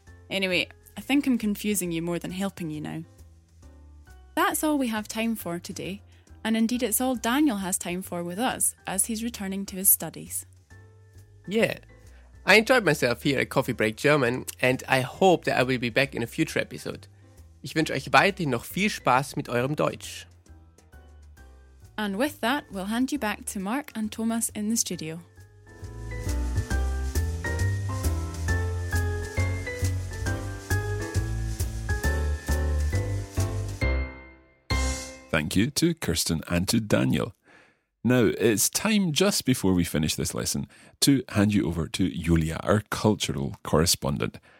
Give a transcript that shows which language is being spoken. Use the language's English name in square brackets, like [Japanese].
[English] Anyway, I think I'm confusing you more than helping you now. That's all we have time for today, and indeed it's all Daniel has time for with us, as he's returning to his studies. Yeah, I enjoyed myself here at Coffee Break German, and I hope that I will be back in a future episode. [German] Ich wünsche euch weiterhin noch viel Spaß mit eurem Deutsch. [English] And with that, we'll hand you back to Mark and Thomas in the studio. Thank you to Kirsten and to Daniel. Now, it's time just before we finish this lesson to hand you over to Julia, our cultural correspondent.